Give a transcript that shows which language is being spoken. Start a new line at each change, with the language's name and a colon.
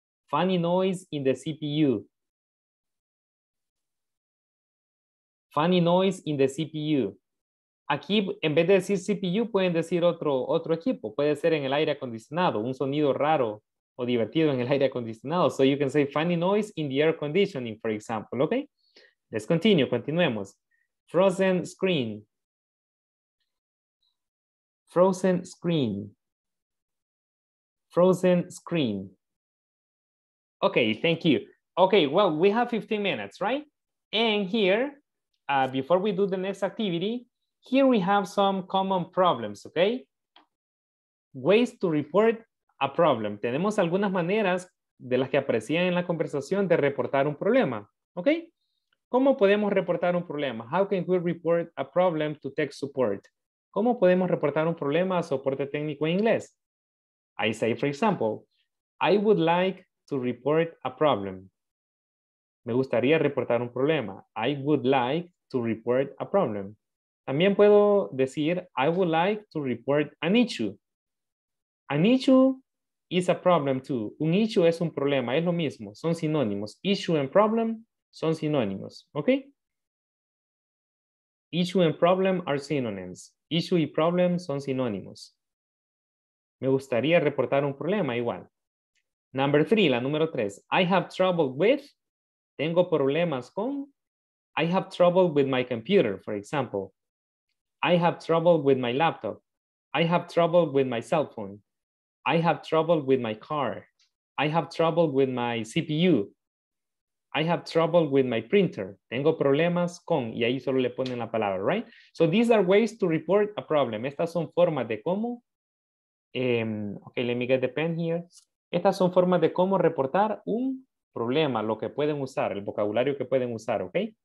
English: Funny noise in the CPU. Funny noise in the CPU.
Spanish: Aquí, en vez de decir CPU, pueden decir otro equipo. Puede ser en el aire acondicionado, un sonido raro o divertido en el aire acondicionado.
English: So you can say funny noise in the air conditioning, for example, okay? Let's continue,
Spanish: continuemos.
English: Frozen screen. Frozen screen. Frozen screen. Okay, thank you. Okay, well, we have 15 minutes, right? And here, before we do the next activity, here we have some common problems, okay? Ways to report a problem.
Spanish: Tenemos algunas maneras de las que aparecían en la conversación de reportar un problema, okay? ¿Cómo podemos reportar un problema?
English: How can we report a problem to tech support?
Spanish: ¿Cómo podemos reportar un problema a soporte técnico en inglés?
English: I say, for example, I would like to report a problem.
Spanish: Me gustaría reportar un problema.
English: I would like to report a problem.
Spanish: También puedo decir,
English: I would like to report an issue. An issue is a problem too.
Spanish: Un issue es un problema, es lo mismo. Son sinónimos. Issue and problem son sinónimos, ¿ok?
English: Issue and problem are synonyms.
Spanish: Issue y problem son sinónimos. Me gustaría reportar un problema igual.
English: Number three,
Spanish: la número tres.
English: I have trouble with,
Spanish: tengo problemas con.
English: I have trouble with my computer, for example. I have trouble with my laptop. I have trouble with my cell phone. I have trouble with my car. I have trouble with my CPU. I have trouble with my printer.
Spanish: Tengo problemas con, y ahí solo le ponen la palabra, right?
English: So these are ways to report a problem.
Spanish: Estas son formas de cómo.
English: Okay, let me get the pen here.
Spanish: Estas son formas de cómo reportar un problema, lo que pueden usar, el vocabulario que pueden usar, okay?